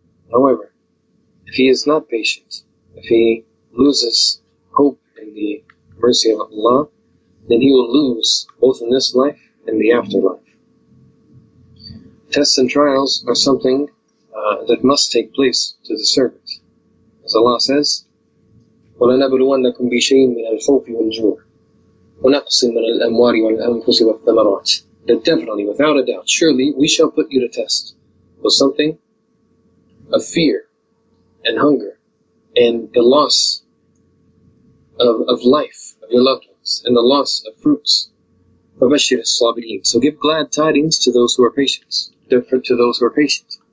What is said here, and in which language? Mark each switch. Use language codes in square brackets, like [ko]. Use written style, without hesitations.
[en] However, if he is not patient, if he loses hope in the mercy of Allah, then he will lose both in this life and the afterlife. Tests and trials are something that must take place to the servant. As Allah says, [ar] وَلَنَبْلُوَنَّكُمْ بِشَيْءٍ مِنَ الْخَوْفِ وَالْجُوعِ وَنَقْصٍ مِنَ الْأَمْوَارِ وَالْأَنْفُسِ وَالثَّمَرَاتِ. [en] That definitely, without a doubt, surely we shall put you to test with something of fear and hunger and the loss of life of your loved ones and the loss of fruits. [ar] فَبَشِّرِ الصَّابِرِينَ. [en] So give glad tidings to those who are patient. Different to those who are patient.